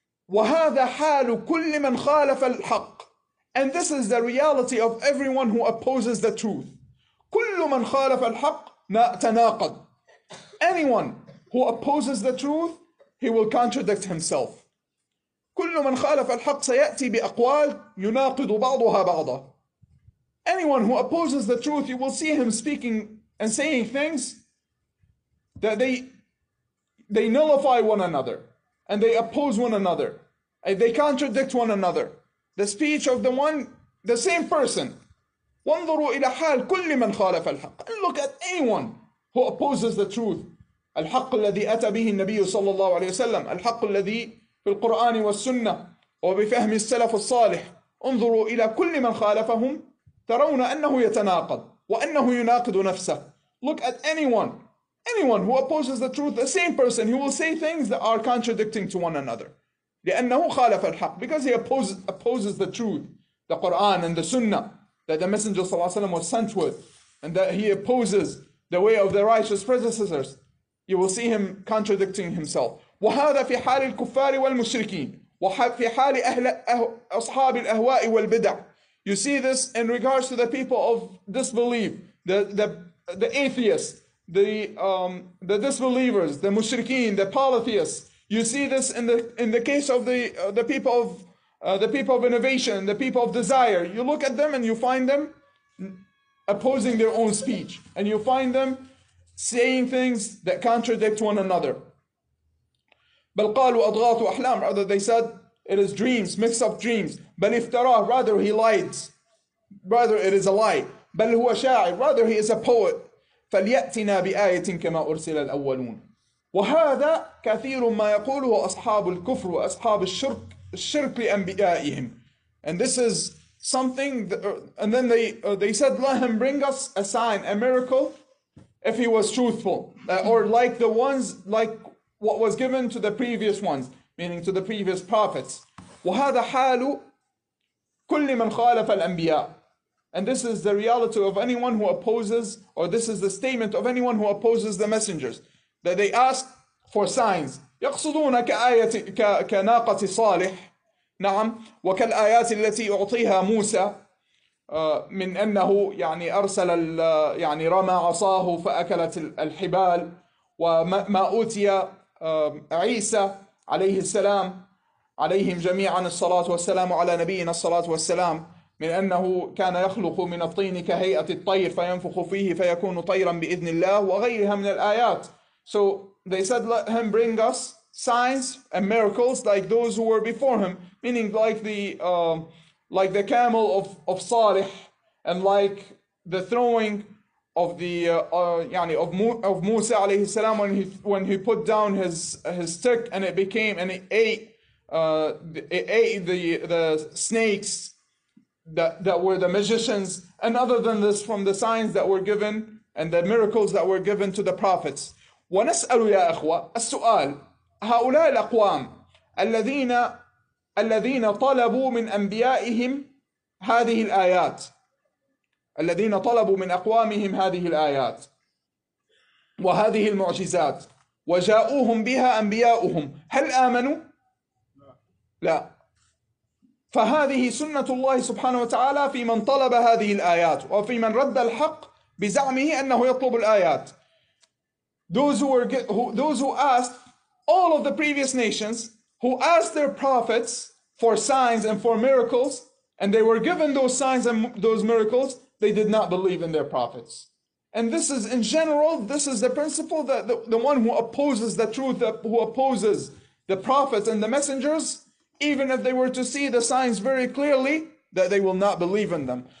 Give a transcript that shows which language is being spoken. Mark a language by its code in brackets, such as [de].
[ar] وهذا حال كل من خالف الحق. [en] And this is the reality of everyone who opposes the truth. [ar] كل من خالف الحق تناقض. [en] Anyone who opposes the truth, he will contradict himself. [ar] كل من خالف الحق سيأتي بأقوال يناقض بعضها بعضا. [en] Anyone who opposes the truth, you will see him speaking and saying things that they nullify one another and they oppose one another. They contradict one another. The speech of the one, the same person. [ar] وانظروا إلى حال كل من خالف الحق. [en] And look at anyone who opposes the truth. [ar] الحق الذي أتى به النبي صلى الله عليه وسلم. الحق الذي في القرآن والسنة وبفهم السلف الصالح. انظروا إلى كل من خالفهم ترون أنه يتناقض وأنه يناقض نفسه. [en] Look at anyone who opposes the truth, the same person, he will say things that are contradicting to one another. [ar] لأنه خالف الحق, [en] because he opposes the truth, the Quran and the Sunnah that the Messenger [ar] صلى الله عليه وسلم [en] was sent with, and that he opposes the way of the righteous predecessors. You will see him contradicting himself. [ar] وهذا في حال الكفار والمشركين وفي حال أهل أصحاب الأهواء والبدع. [en] You see this in regards to the people of disbelief, the atheists, the disbelievers, the mushrikeen, the polytheists. You see this in the case of the people of innovation, the people of desire. You look at them and you find them opposing their own speech, and you find them saying things that contradict one another. [ar] بل قالوا أضغاث أحلام, [en] rather they said it is dreams, mix up dreams. [ar] بل افترى, [en] rather he lied, rather it is a lie. [ar] بل هو شاعر, [en] rather he is a poet. [ar] فليأتنا بآية كما أرسل الأولون. وهذا كثير ما يقوله أصحاب الكفر وأصحاب الشرك الشرك لأنبيائهم. [en] And this is something that, and then they said, let him bring us a sign, a miracle, if he was truthful, or like the ones, like what was given to the previous ones, meaning to the previous prophets. [ar] وهذا حال كل من خالف الأنبياء. [en] And this is the reality of anyone who opposes, or this is the statement of anyone who opposes the messengers, that they ask for signs. [ar] يقصدون كآية كناقة صالح, نعم, وكالآيات التي أعطيها موسى من أنه يعني أرسل يعني رمى عصاه فأكلت الحبال, وما أوتي عيسى عليه السلام عليهم جميعا الصلاة والسلام على نبينا الصلاة والسلام من أنه كان يخلق من الطين كهيئة الطير فينفخ فيه فيكون طيرا بإذن الله وغيرها من الآيات. [en] So they said, let him bring us signs and miracles like those who were before him, meaning like the camel of Salih, and like the throwing of the يعني of Musa alayhi salam when he put down his stick and it became and it ate the snakes that were the magicians. And other than this, from the signs that were given and the miracles that were given to the prophets. [ar] ونسأل يا أخوة السؤال, هؤلاء الأقوام الذين طلبوا من أنبيائهم هذه الآيات, الذين طلبوا من أقوامهم هذه الآيات وهذه المعجزات وجاءوهم بها أنبياؤهم, هل آمنوا؟ لا. فهذه سنة الله سبحانه وتعالى في من طلب هذه الآيات وفي من رد الحق بزعمه أنه يطلب الآيات. [en] Those who asked, all of the previous nations who asked their prophets for signs and for miracles, and they were given those signs and those miracles, they did not believe in their prophets. And this is, in general, this is the principle that the one who opposes the truth, who opposes the prophets and the messengers, even if they were to see the signs very clearly, that they will not believe in them.